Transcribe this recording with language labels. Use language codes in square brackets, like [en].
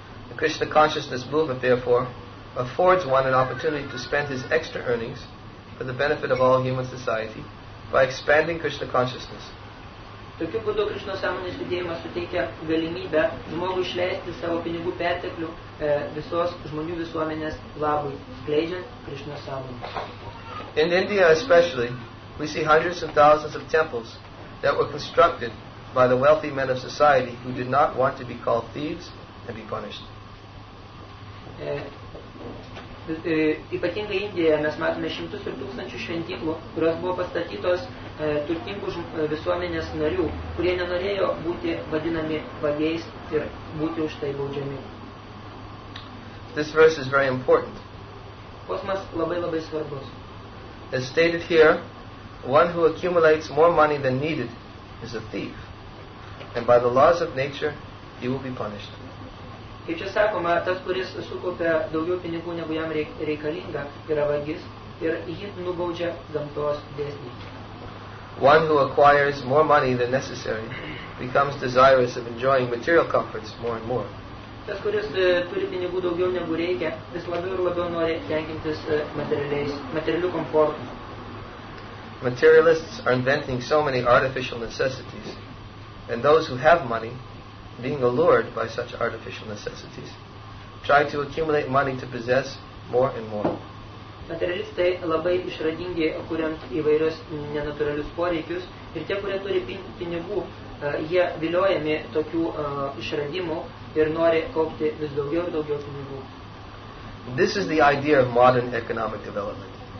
[en] The Krishna consciousness movement, therefore, affords one an opportunity to spend his extra earnings for the benefit of all human society by expanding Krishna consciousness. [lt] Tokiu būdu Krishna sąmonės judėjimas suteikia galimybę žmogui išleisti savo pinigų perteklių visos žmonių visuomenės labui, skleidžiant Krishna sąmonę. [en] In India especially, we see hundreds of thousands of temples that were constructed by the wealthy men of society who did not want to be called thieves and be punished. [lt] Ypatingai Indijoje mes matome šimtus ir tūkstančių šventyklų, kurios buvo pastatytos turtingų visuomenės narių, kurie nenorėjo būti vadinami vagiais ir būti už tai baudžiami. [en] This verse is very important. [lt] Posmas labai labai svarbus. [en] As stated here, one who accumulates more money than needed is a thief, and by the laws of nature, he will be punished. [lt] Kaip čia sakoma, tas, kuris sukaupia daugiau pinigų, negu jam reikalinga, yra vagis, ir jį nubaudžia gamtos dėsniai. [en] One who acquires more money than necessary becomes desirous of enjoying material comforts more and more. [lt] Tas, kuris turi pinigų daugiau negu reikia, vis labiau ir labiau nori tenkintis materialių komfortų. [en] Materialists are inventing so many artificial necessities, and those who have money, being allured by such artificial necessities, try to accumulate money to possess more and more. [lt] Materialistai labai išradingi, kuriant įvairius nenatūralius poreikius, ir tie, kurie turi pinigų, jie viliojami tokių išradimų ir nori kaupti vis daugiau ir daugiau pinigų. [en] This is the idea of modern economic development.